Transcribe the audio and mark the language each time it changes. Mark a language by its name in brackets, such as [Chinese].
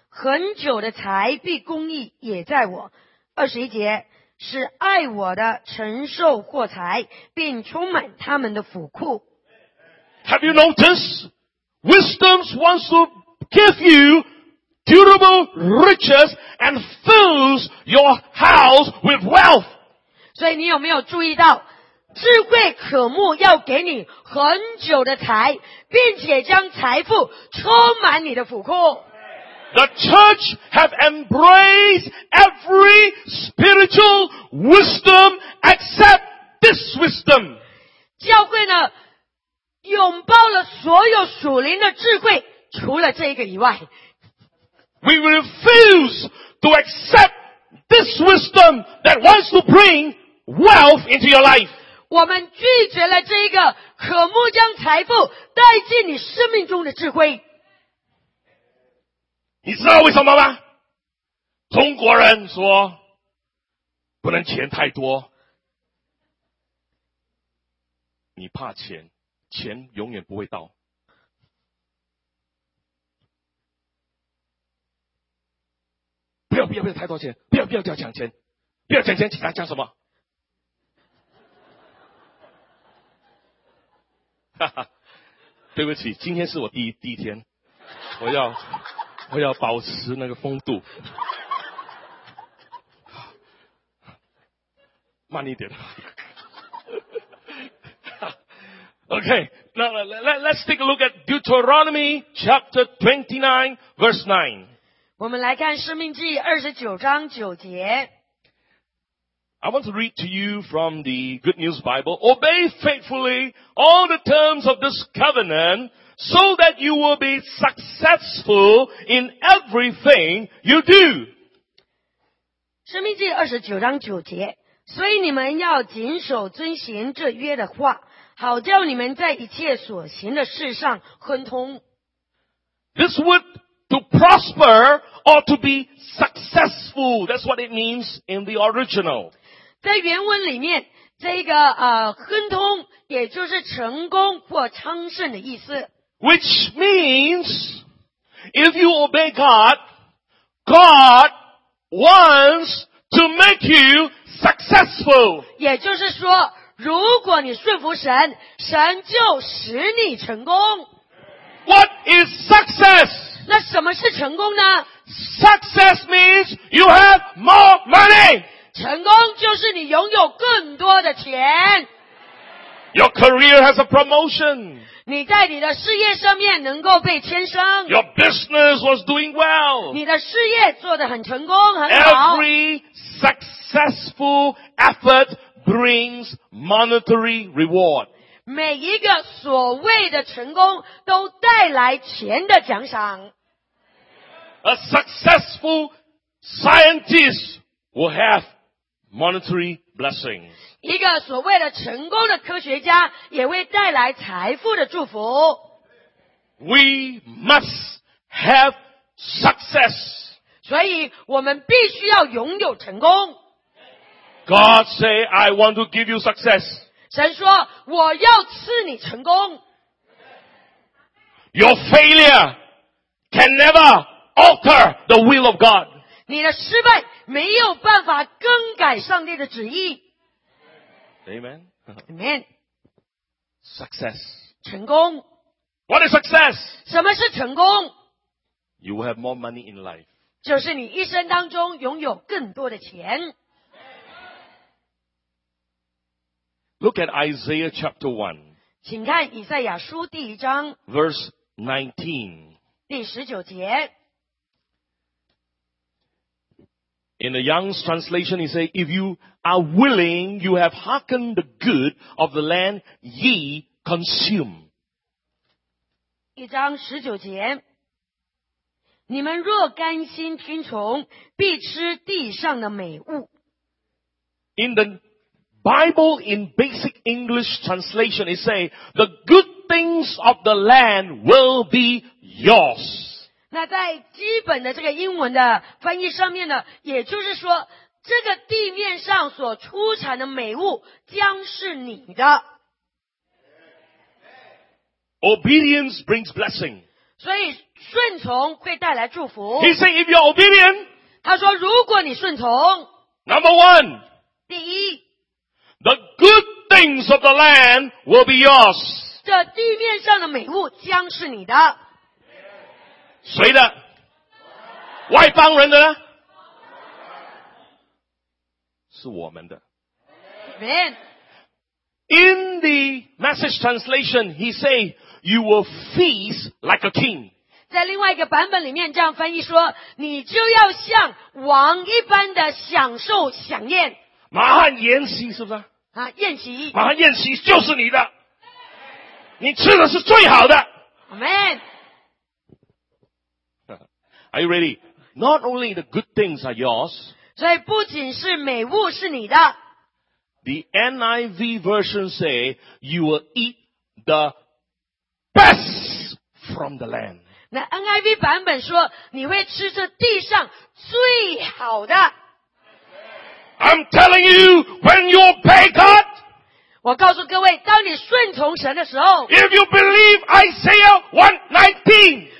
[Chinese] 很久的财币公义也在我。21节。使爱我的承受获财，并充满他们的府库。 [English] Have you noticed? Wisdom wants to give you durable riches and fills your house with wealth. [Chinese] 所以你有没有注意到，智慧渴慕要给你很久的财，并且将财富充满你的府库。 [English] The church have embraced every spiritual wisdom except this wisdom. [Chinese] 教会呢，拥抱了所有属灵的智慧，除了这一个以外。 [English] We refuse to accept this wisdom that wants to bring wealth into your life. [Chinese] 我们拒绝了这一个渴慕将财富带进你生命中的智慧。你知道为什么吗？中国人说不能钱太多，你怕钱，钱永远不会到。不要不要不要太多钱，不要不要抢钱，不要抢钱，其他讲什么？对不起，今天是我第一天，我要保持那个风度，慢一点。 [English] Okay, now let's take a look at Deuteronomy chapter 29, verse 9. [Chinese] 我们来看《生命记》二十九章九节。 [English] I want to read to you from the Good News Bible. Obey faithfully all the terms of this covenant. So that you will be successful in everything you do. [Chinese] 生命记二十九章九节，所以你们要谨守遵行这约的话，好叫你们在一切所行的事上亨通。 [English] This word to prosper or to be successful, that's what it means in the original. [Chinese] 在原文里面，这个亨通也就是成功或昌盛的意思。 [English] Which means, if you obey God, God wants to make you successful. [Chinese] 也就是说，如果你顺服神，神就使你成功。 [English] What is success? [Chinese] 那什么是成功呢？ [English] Success means you have more money. [Chinese] 成功就是你拥有更多的钱。 [English] Your career has a promotion. [Chinese] 你在你的事业上面能够被牵升。 [English] Your business was doing well. [Chinese] 你的事业做得很成功，很好。 [English] Every successful effort brings monetary reward. [Chinese] 每一个所谓的成功都带来钱的奖赏。 [English] A successful scientist will have monetary blessing. [Chinese] 一个所谓的成功的科学家也会带来财富的祝福。 [English] We must have success. [Chinese] 所以我们必须要拥有成功。 [English] God say, I want to give you success. [Chinese] 神说，我要赐你成功。 [English] Your failure can never alter the will of God. [Chinese] 你的失败没有办法更改上帝的旨意。 [English] Amen. Amen. Success. [Chinese] 成功。 [English] What is success? [Chinese] 什么是成功？ [English] You will have more money in life. [Chinese] 就是你一生当中拥有更多的钱。 [English] Look at Isaiah chapter 1. [Chinese] 请看以赛亚书第一章。 [English] Verse 19. [Chinese] 第十九节。 [English] In the Young's translation, he says, If you are willing, you have hearkened the good of the land ye consume. [Chinese] 一章十九节，你们若甘心听从，必吃地上的美物。 [English] In the Bible, in basic English translation, it says, the good things of the land will be yours. [Chinese] 那在基本的这个英文的翻译上面呢，也就是说，这个地面上所出产的美物将是你的。 [English] Obedience brings blessing. [Chinese] 所以顺从会带来祝福。 [English] He said, if you're obedient, [Chinese] 他说如果你顺从。 [English] Number one, [Chinese] 第一, [English] the good things of the land will be yours. [Chinese] 这地面上的美物将是你的。谁的？外邦人的呢？是我们的。 [English] Amen. In the message translation, he said,You will feast like a king. [Chinese] 在另外一个版本里面这样翻译说，你就要像王一般的享受享宴。马上宴席是不是？啊，宴席。马上宴席就是你的，你吃的是最好的。 [English] Amen. Are you ready? Not only the good things are yours. [Chinese] 所以不仅是美物是你的。 [English] The NIV version say you will eat the. Best from the land. [Chinese] 那 NIV 版本说你会吃这地上最好的。 [English] I'm telling you, when you pay God, [Chinese] 我告诉各位，当你顺从神的时候， [English] If you believe Isaiah 1:19,